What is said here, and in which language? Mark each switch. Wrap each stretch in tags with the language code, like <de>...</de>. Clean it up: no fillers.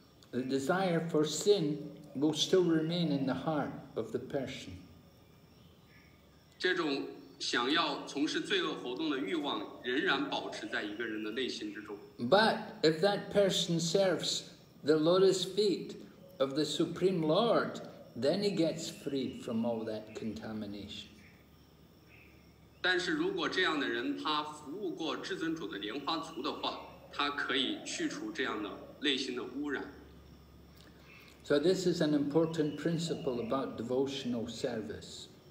<en>The desire for sin will still remain in the heart of the person.</en> <zh>这种想要从事罪恶活动的欲望仍然保持在一个人的内心之中。</zh> <en>But if that person serves the lotus feet of the Supreme Lord, then he gets freed from all that contamination.</en> <zh>但是如果这样的人他服务过至尊主的莲花足的话，他可以去除这样的内心的污染。So</zh> <en>this is an important principle about devotional service.</en>